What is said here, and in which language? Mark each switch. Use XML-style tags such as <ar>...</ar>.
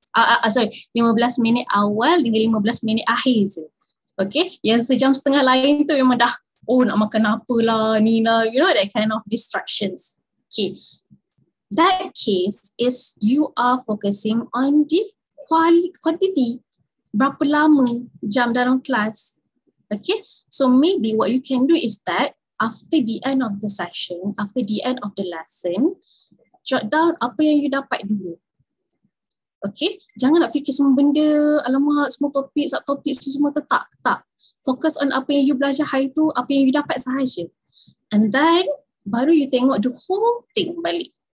<ms>15 minit awal dengan 15 minit akhir je. Okay, yang sejam setengah lain tu memang dah, oh nak makan apalah, ni lah,</ms> <en>you know, that kind of distractions. Okay, that case is you are focusing on the quantity.</en> <ms>Berapa lama jam dalam kelas.</ms> <en>Okay, so maybe what you can do is that after the end of the session, after the end of the lesson, jot down</en> <ms>apa yang</ms> <en>you</en> <ms>dapat dulu. Okay, jangan nak fikir semua benda, alamak, semua topik, subtopik, semua tu, tak.</ms> <en>Focus on</en> <ms>apa yang you belajar hari tu, apa yang you dapat sahaja.</ms> <en>And then,</en> <ms>baru you tengok</ms> <en>the whole thing</en> <ms>balik.</ms>